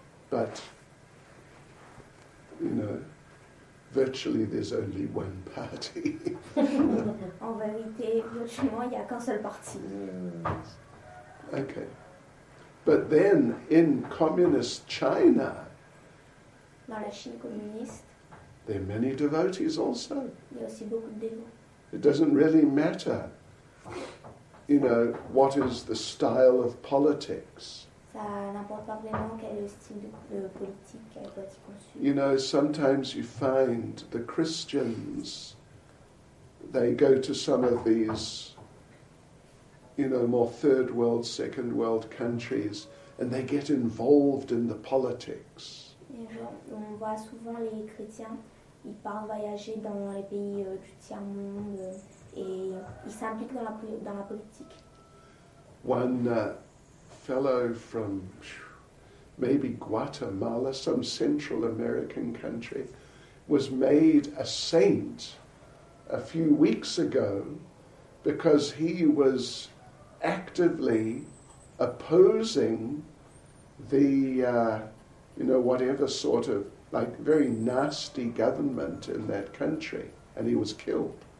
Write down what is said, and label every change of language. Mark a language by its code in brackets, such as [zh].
[en] But, you know, virtually there's only one party. [fr] En vérité, virtuellement, il n'y a qu'un seul parti. [en] Okay. But then, in communist China, [fr] dans la Chine communiste, [en] there are many devotees also. [fr] Il y a aussi beaucoup de dévots. [en] It doesn't really matter, you know, what is the style of politics. [fr] Ça n'importe pas vraiment quel style de politique qu'elle doit être conçue. [en] You know, sometimes you find the Christians, they go to some of these, you know, more third world, second world countries, and they get involved in the politics. [fr] On voit souvent les chrétiens, ils partent voyager dans les pays du tiers monde et ils s'impliquent dans la politique. [en] One fellow from maybe Guatemala, some Central American country, was made a saint a few weeks ago because he was actively opposing the, you know, whatever sort of, like, very nasty government in that country, and he was killed.